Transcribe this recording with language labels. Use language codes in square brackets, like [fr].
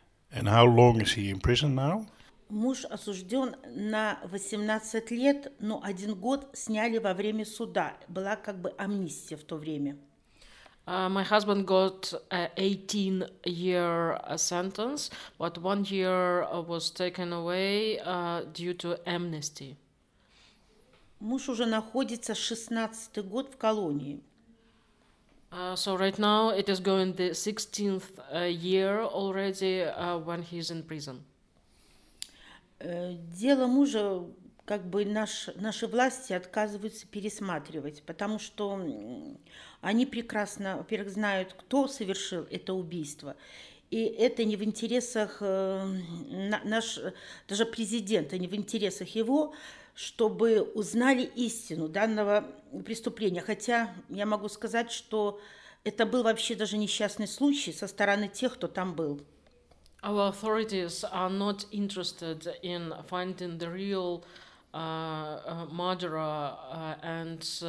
[en] And how long is he in prison now? [ru] Муж осужден на 18 лет, но один год сняли во время суда. Была как бы амнистия в то время. [en] My husband got an 18-year sentence, but one year was taken away due to amnesty. [ru] Муж уже находится 16-й год в колонии. [en] So right now it is going the 16th year already when he is in prison. [ru] Дело мужа, как бы наши власти отказываются пересматривать, потому что они прекрасно, во-первых, знают, кто совершил это убийство, и это не в интересах даже президента, не в интересах его, чтобы узнали истину данного преступления. Хотя я могу сказать, что это был вообще даже несчастный случай со стороны тех, кто там был. [en] Our authorities are not interested in finding the real murderer and